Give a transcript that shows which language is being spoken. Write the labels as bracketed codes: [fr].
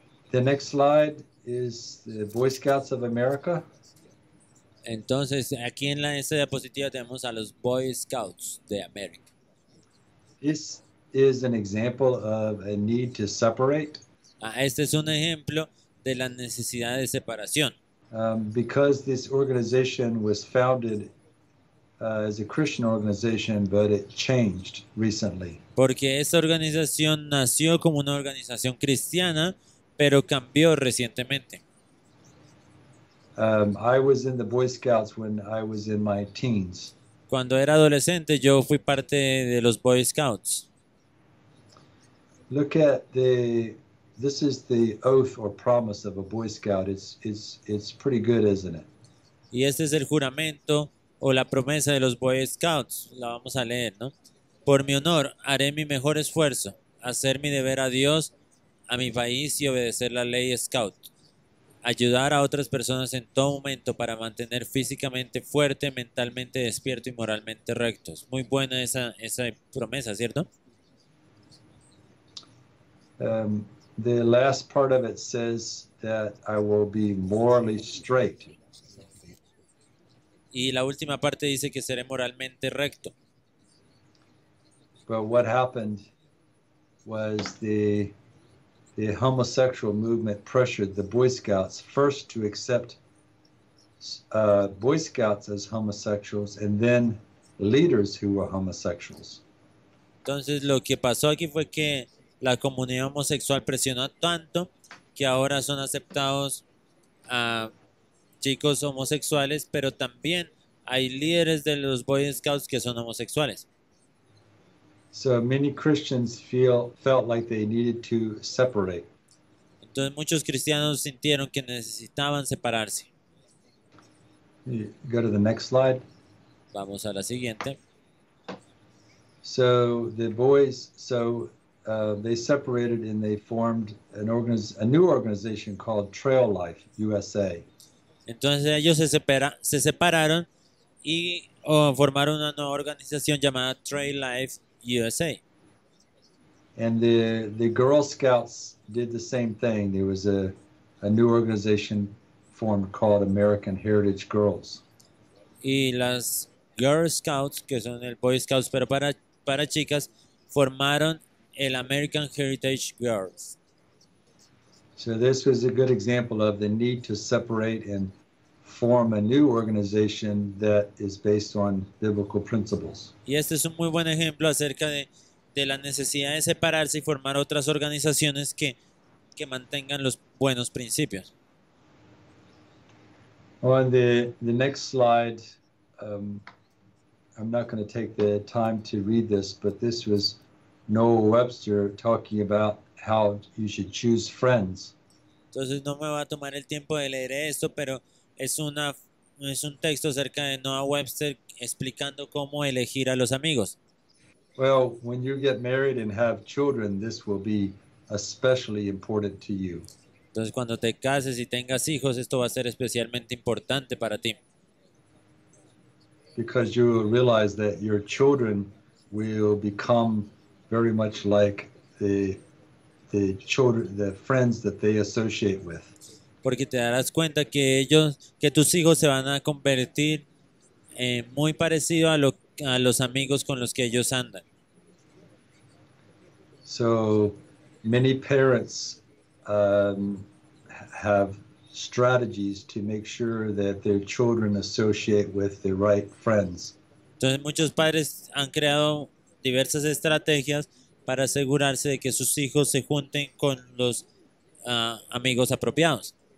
[en] The next slide is the Boy Scouts of America. [es] Entonces, aquí en esta diapositiva tenemos a los Boy Scouts de América. [en] This is an example of a need to separate. [es] Este es un ejemplo de la necesidad de separación. [en] Because this organization was founded as a Christian organization, but it changed recently. [es] Porque esta organización nació como una organización cristiana, pero cambió recientemente. [en] I was in the Boy Scouts when I was in my teens. [es] Cuando era adolescente, yo fui parte de los Boy Scouts. [en] Look at this is the oath or promise of a Boy Scout. It's pretty good, isn't it? [es] Y este es el juramento o la promesa de los Boy Scouts. La vamos a leer, ¿no? Por mi honor, haré mi mejor esfuerzo, hacer mi deber a Dios, a mi país y obedecer la ley Scout. Ayudar a otras personas en todo momento para mantener físicamente fuerte, mentalmente despierto y moralmente rectos. Muy buena esa promesa, ¿cierto? [en] The last part of it says that I will be morally straight. [es] Y la última parte dice que seré moralmente recto. [en] But what happened was the homosexual movement pressured the Boy Scouts first to accept Boy Scouts as homosexuals and then leaders who were homosexuals. [es] Entonces lo que pasó aquí fue que la comunidad homosexual presionó tanto que ahora son aceptados chicos homosexuales, pero también hay líderes de los Boy Scouts que son homosexuales. [en] So many Christians felt like they needed to separate. [es] Entonces muchos cristianos sintieron que necesitaban separarse. [en] Go to the next slide. [es] Vamos a la siguiente. [en] So the boys, they separated and they formed a new organization called Trail Life USA. [es] Entonces ellos se separaron y formaron una nueva organización llamada Trail Life USA. [en] And the Girl Scouts did the same thing. There was a new organization formed called American Heritage Girls. [es] Y las Girl Scouts, que son el Boy Scouts, pero para chicas, formaron el American Heritage Girls. [en] So this was a good example of the need to separate and form a new organization that is based on biblical principles. [es] Y este es un muy buen ejemplo acerca de la necesidad de separarse y formar otras organizaciones que mantengan los buenos principios. [en] On the next slide, I'm not going to take the time to read this, but this was Noah Webster talking about how you should choose friends. [es] Entonces no me va a tomar el tiempo de leer esto, pero es un texto acerca de Noah Webster explicando cómo elegir a los amigos. [en] Well, when you get married and have children, this will be especially important to you. [es] Entonces, cuando te cases y tengas hijos, esto va a ser especialmente importante para ti. [en] Because you will realize that your children will become very much like the children, the friends that they associate with. [es] Porque te darás cuenta que tus hijos se van a convertir muy parecido a los amigos con los que ellos andan. [en] So many parents have strategies to make sure that their children associate with the right friends. [es] Entonces muchos padres han creado diversas estrategias para asegurarse de que sus hijos se junten con los amigos apropiados.